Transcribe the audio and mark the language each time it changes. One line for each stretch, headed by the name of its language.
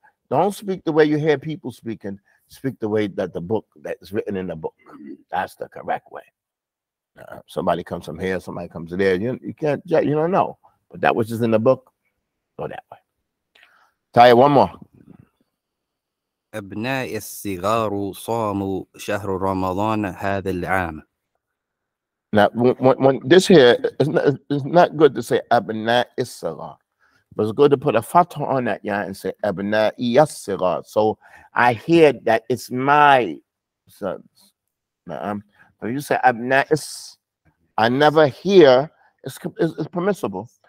English: Don't speak the way you hear people speaking. Speak the way that the book that is written in the book. That's the correct way. Somebody comes from here, somebody comes there. You can't, you don't know. But that which is in the book, go that way. Taya, one more.
Arabic: أبناء الصغار صاموا شهر رمضان هذا العام.
English: Now, when this here, it's not good to say
Arabic: أبناء الصغار.
English: But it's good to put a fatha on that, yeah, and say
Arabic: abna'i as-sighar.
English: So I hear that it's my sons. If you say abna'is, I never hear, it's permissible.